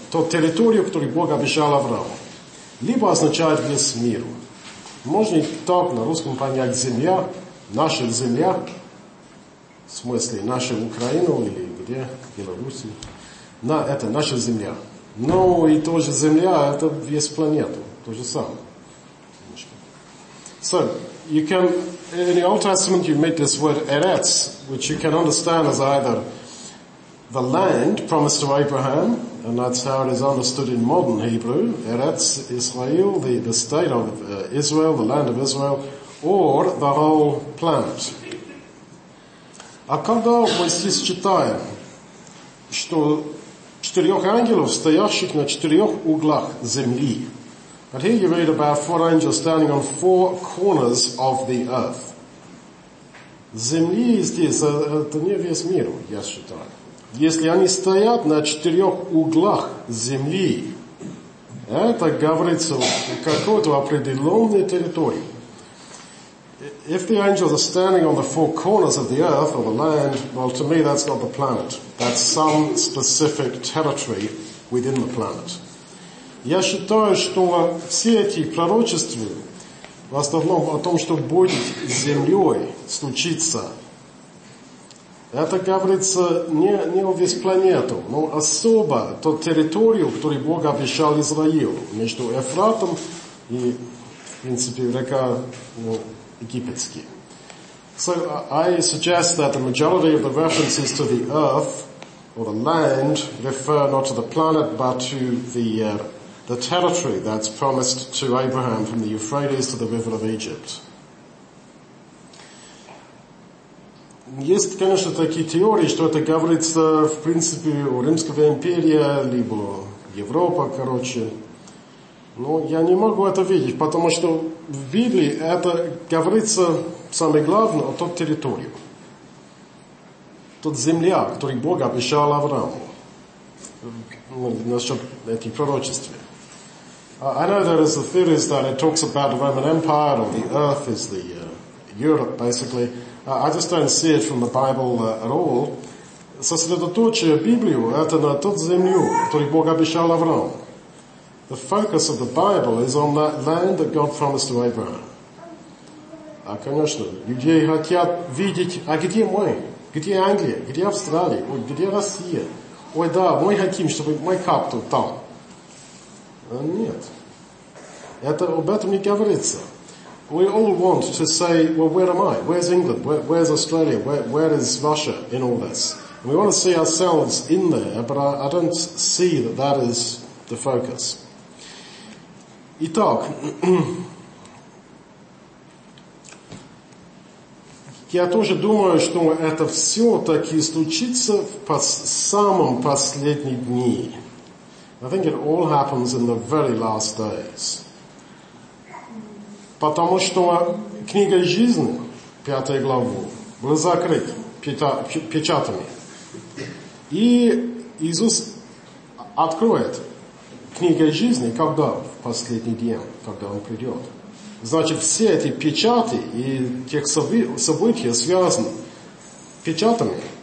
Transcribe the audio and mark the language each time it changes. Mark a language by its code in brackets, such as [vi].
[ru] То территорию, которую Бог обещал Аврааму. Либо означает весь мир. Можно и так на русском понять земля, наша земля, в смысле наша Украина или где, Беларусь. На это наша земля. Но и тоже земля, это весь планету. То же самое. [en] So, you can, in the Old Testament you meet this word Eretz, which you can understand as either the land promised to Abraham, and that's how it is understood in modern Hebrew, Eretz Israel, the state of Israel, the land of Israel, or the whole planet. [ru] А когда мы здесь читаем, что четырех ангелов, стоящих на четырех углах земли, [en] but here you read about four angels standing on four corners of the earth. [ru] Земли здесь, это не весь мир, я считаю. Если они стоят на четырех углах земли, это говорится о какой-то определенной территории. [en] If the angels are standing on the four corners of the earth or the land, well, to me, that's not the planet. That's some specific territory within the planet. [ru] Я считаю, что все эти пророчества в основном о том, что будет с землей случиться, это говорится не о весь планету, но особо ту территорию, которую Бог обещал Израилю, между Эфратом и, в принципе, река Египетский. [en] So I suggest that the majority of the references to the earth or the land refer not to the planet, but to the territory that's promised to Abraham from the Euphrates to the river of Egypt. [ru] Есть, конечно, такие теории, что это говорится, в принципе, о Римской империи, либо Европа, короче. Но я не могу это видеть, потому что в Библии это говорится, самое главное, о той территории. Тот земля, которую Бог обещал Аврааму. Насчет этих пророчеств. [en] I know there is a theory that it talks about the Roman Empire or the earth is the Europe, basically. I just don't see it from the Bible at all. [ru] Сосредоточие Библии – это на ту землю, которую Бог обещал Аврааму. [en] The focus of the Bible is on that land that God promised to Abraham. [ru] А, конечно, люди хотят видеть, а где мы? Где Англия? Где Австралия? Ой, где Россия? Ой, да, мы хотим, чтобы мы как-то там. Нет. Это об этом не говорится. [en] We all want to say, well, where am I? Where's England? Where's Australia? Where is Russia in all this? We want to see ourselves in there, but I don't see that that is the focus. [ru] Итак, я тоже думаю, что это все-таки случится в самом последние дни. [en] I think it all happens in the very last days. [ru] Потому что книга жизни, пятая глава, была закрыта печатами. И Иисус откроет книгу жизни, когда? В последний день, когда Он придет. Значит, все эти печати и тех события связаны печатами.